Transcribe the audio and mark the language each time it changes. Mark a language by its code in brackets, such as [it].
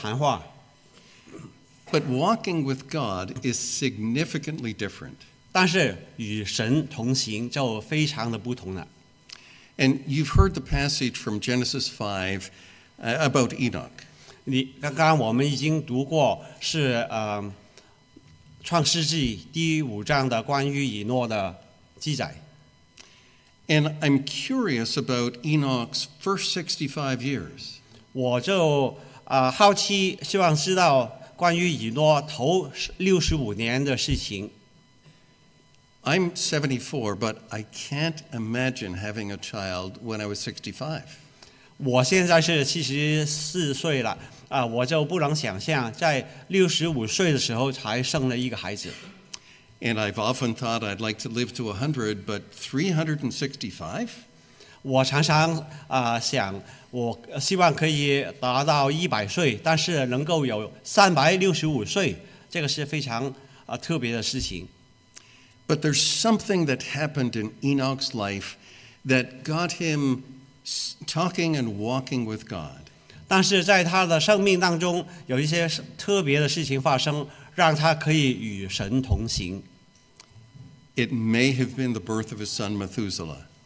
[zh] 但是当我行走的时候，我就喜欢是静静的默想，或者是祷告，或者是跟别人谈话。But [en] walking with God is significantly different. [zh] 但是与神同行就非常的不同了。And [en] you've heard the passage from Genesis 5 about Enoch. [zh] 刚刚我们已经读过是 创世纪第五章的关于以诺的记载。And [en] I'm curious about Enoch's first 65 years. [zh] 我就好奇希望知道关于以诺头65年的事情。I'm [en] 74, but I can't imagine having a child when I was 65. [zh] 我现在是74岁了。我就不能想象在65岁的时候才生了一个孩子。 [en] And I've often thought I'd like to live to 100, but 365? [zh] 我常常想我希望可以达到100岁, 但是能够有365岁, 这个是非常 特别的事情。 [en] But there's something that happened in Enoch's life that got him talking and walking with God. [zh] 但是在他的生命当中, 有一些特别的事情发生, 让他可以与神同行。 [en] It may have been the birth of his son Methuselah.